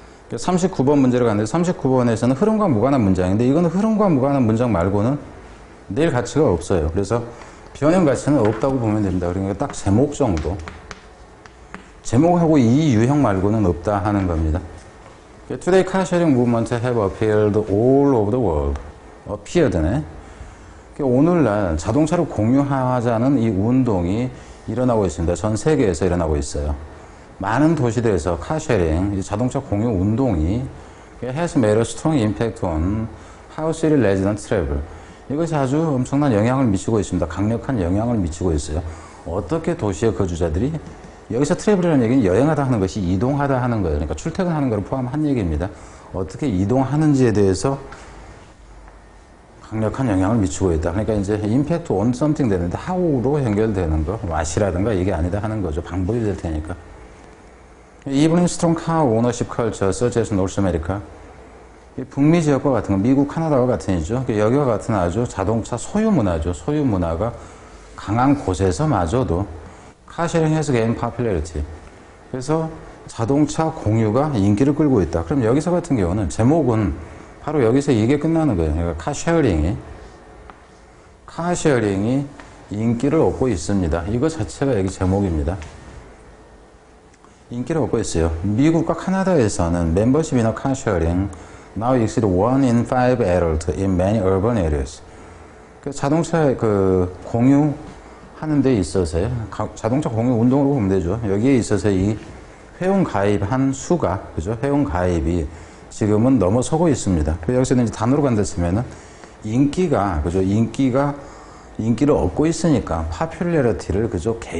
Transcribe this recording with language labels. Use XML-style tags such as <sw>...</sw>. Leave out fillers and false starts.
<ko>39번 문제를 가는데 39번에서는 흐름과 무관한 문장인데 이거는 흐름과 무관한 문장 말고는 내일 가치가 없어요. 그래서 변형 가치는 없다고 보면 됩니다. 그러니까 딱 제목 정도. 제목하고 이 유형 말고는 없다 하는 겁니다.</ko> <en>Today car sharing movement have appeared all over the world.</en> <ko>Appeared네. 오늘날 자동차를 공유하자는 이 운동이 일어나고 있습니다. 전 세계에서 일어나고 있어요. 많은 도시들에서 카쉐링, 자동차 공유 운동이</ko> <en>has made a strong impact on how city residents travel.</en> <ko>이것이 아주 엄청난 영향을 미치고 있습니다. 강력한 영향을 미치고 있어요. 어떻게 도시의 거주자들이 여기서 트래블이라는 얘기는 여행하다 하는 것이 이동하다 하는 거예요. 그러니까 출퇴근하는 것을 포함한 얘기입니다. 어떻게 이동하는지에 대해서 강력한 영향을 미치고 있다. 그러니까 이제</ko> <en>impact on something</en> <ko>되는데 how로 연결되는 거, what이라든가 이게 아니다 하는 거죠. 방법이 될 테니까.</ko> <en>Even in strong car ownership culture such as North America,</en> <ko>북미 지역과 같은 거, 미국, 캐나다와 같은 이죠. 여기와 같은 아주 자동차 소유 문화죠. 소유 문화가 강한 곳에서마저도 카쉐링</ko> <en>has gained popularity.</en> <ko>그래서 자동차 공유가 인기를 끌고 있다. 그럼 여기서 같은 경우는 제목은 바로 여기서 이게 끝나는 거예요. 그러니까 카쉐어링이 인기를 얻고 있습니다. 이거 자체가 여기 제목입니다. 인기를 얻고 있어요. 미국과 캐나다에서는 멤버십 인 카쉐어링</ko> <en>now exceed 1 in 5 adults in many urban areas.</en> <ko>자동차 그 공유하는 데 있어서 자동차 공유 운동으로 보면 되죠. 여기에 있어서 이 회원 가입한 수가 그죠? 회원 가입이 지금은 넘어서고 있습니다. 여기서는 이제 단어로 간다 치면은 인기가, 그죠? 인기를 얻고 있으니까, popularity를 그죠?</ko>